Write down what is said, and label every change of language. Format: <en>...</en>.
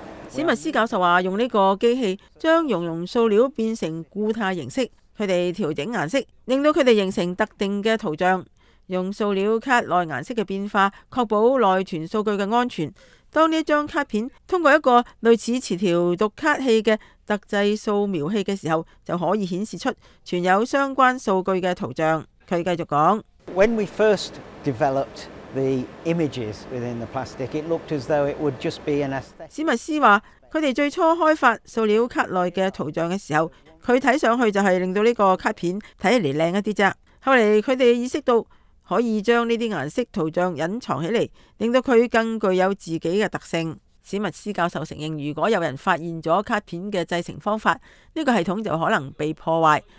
<zh>史密斯教授说，用这个机器将熔融塑料变成固态形式，他们调整颜色令到它们形成特定的图像，用塑料卡内颜色的变化确保内存数据的安全。当这张卡片通过一个类似磁条读卡器的特制扫描器的时候，就可以显示出存有相关数据的图像。他继续说</zh> <en>When we first developedThe images within the plastic, it looked as though it would just be an aesthetic.</en> <zh>史密斯说，他们最初开发塑料卡内的图像的时候，他看上去就是令到这个卡片看起来漂亮一点。后来他们意识到可以将这些颜色图像隐藏起来，令到它更具有自己的特性。史密斯教授承认，如果有人发现了卡片的制成方法，这个系统就可能被破坏。</zh>